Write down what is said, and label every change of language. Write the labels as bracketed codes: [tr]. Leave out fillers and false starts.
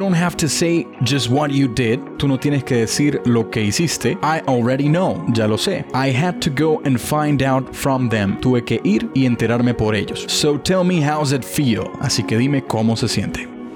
[en] don't have to say just what you did. [es] Tú no tienes que decir lo que hiciste. [en] I already know. [es] Ya lo sé. [en] I had to go and find out from them. [es] Tuve que ir y enterarme por ellos. [en] So tell me how's it feel. [es] Así que dime cómo se siente.